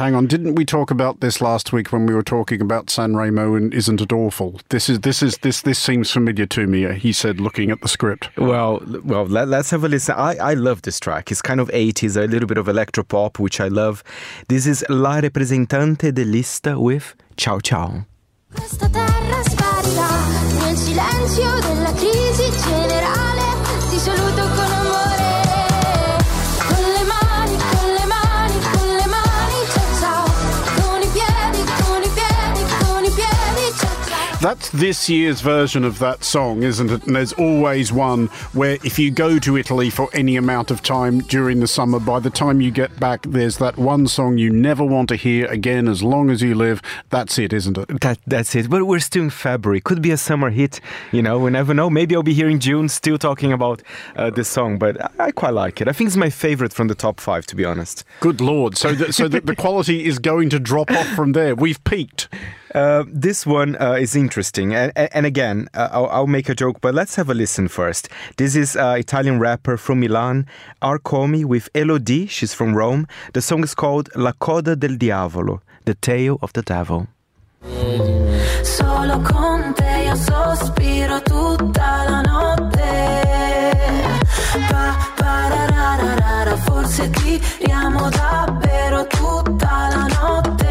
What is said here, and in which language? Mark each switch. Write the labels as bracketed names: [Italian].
[English] hang on, didn't we talk about this last week when we were talking about Sanremo and Isn't It Awful? This seems familiar to me, he said, looking at the script. Well, let's have a listen. I love this track. It's kind of 80s, a little bit of electropop, which I love. This is La Representante de Lista with Ciao Ciao. [Italian] Questa terra sparita nel silenzio della crisi generale. Ti saluto con amore. Con le mani, con le mani, con le mani, ciao ciao. Con i piedi, con i piedi, con i piedi, ciao ciao. [English] That's this year's version of that song, isn't it? And there's always one where if you go to Italy for any amount of time during the summer, by the time you get back, there's that one song you never want to hear again as long as you live. That's it, isn't it? That's it. But we're still in February. Could be a summer hit. You know, we never know. Maybe I'll be here in June still talking about this song. But I quite like it. I think it's my favorite from the top five, to be honest. Good Lord. So the quality is going to drop off from there. We've peaked. This one is interesting. And again, I'll make a joke, but let's have a listen first. This is an Italian rapper from Milan, Arcomi, with Elodie. She's from Rome. The song is called La Coda del Diavolo, The Tale of the Devil. [Italian] Solo con te io sospiro tutta la notte. Pa-pa-ra-ra-ra-ra, forse ti amo davvero tutta la notte.